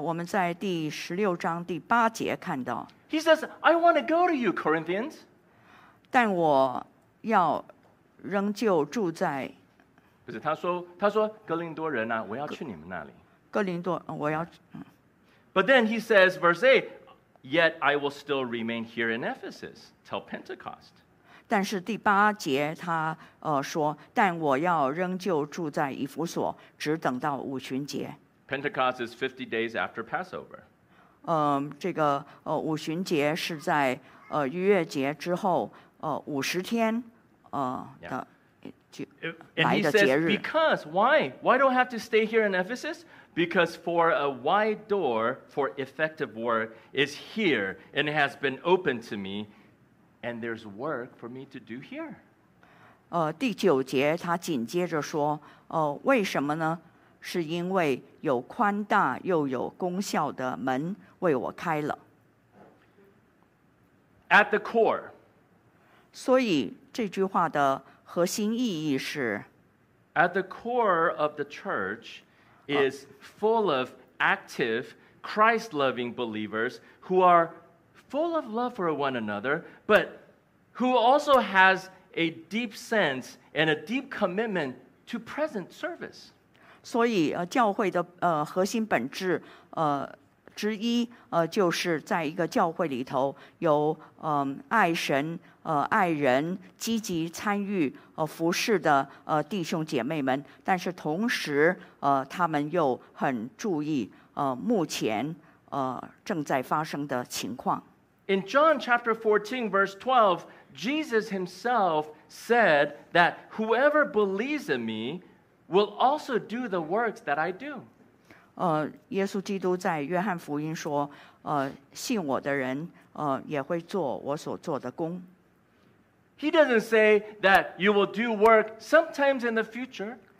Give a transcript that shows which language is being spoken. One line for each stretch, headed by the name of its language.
Chinese: 我们在第十六章第八节看到。
English: He says, I want to go to you, Corinthians.
Chinese: 但我要仍旧住在。不是，他说哥林多人啊，我要去你们那里。哥林多，我要。
English: But then he says, verse 8, yet I will still remain here in Ephesus till Pentecost.
Chinese: 但是第八节他说，但我要仍旧住在以弗所，只等到五旬节。
English: Pentecost is 50 days after Passover.
Chinese: 这个五旬节是在逾越节之后五十天的。
English: Yeah. And he says, because, why? Why do I have to stay here in Ephesus? Because for a wide door for effective work is here and it has been opened to me and there's work for me to do here.
Chinese: 第九节他紧接着说为什么呢？是因为有宽大又有功效的门为我开了。
English: At the core.
Chinese: 所以这句话的核心意义是
English: At the core of the church is full of active Christ-loving believers who are full of love for one another, but who also has a deep sense and a deep commitment to present service.
Chinese: 所以教会的核心本质之一就是在一个教会里头有爱神爱人积极参与服事的弟兄姐妹们，但是同时他们又很注意目前正在发生的情况。
English: In John chapter 14 verse 12, Jesus himself said that whoever believes in me will also do the works that I do.
Chinese: 耶稣基督在约翰福音说信我的人也会做我所做的工。
English: He doesn't say that you will do work sometimes in the future.